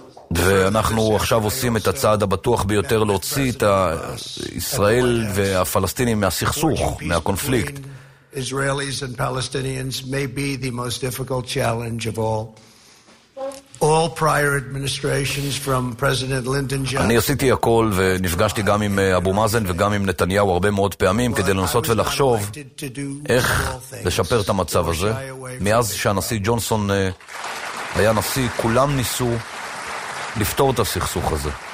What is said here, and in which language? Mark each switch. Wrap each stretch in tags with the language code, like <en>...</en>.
<he>ואנחנו עכשיו עושים את הצעד הבטוח ביותר להוציא את הישראל והפלסטינים מהסכסוך, מהקונפליקט.</he> <en>Israelis and Palestinians may be the most difficult challenge of all. All prior administrations from President Lyndon Johnson.</en> <he>אני עשיתי הכל ונפגשתי גם עם אבו מאזן וגם עם נתניהו הרבה מאוד פעמים כדי לנסות ולחשוב איך לשפר את המצב הזה. מאז שהנשיא ג'ונסון היה נשיא, כולם ניסו לפתור את הסכסוך הזה.</he>